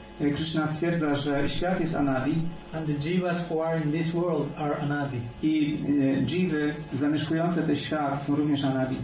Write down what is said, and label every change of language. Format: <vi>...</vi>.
<pl>Krishna stwierdza, że świat jest anadi.</pl> <en>And the jivas who are in this world are anadi.</en> <pl>I jivy zamieszkujące ten świat są również anadi.</pl>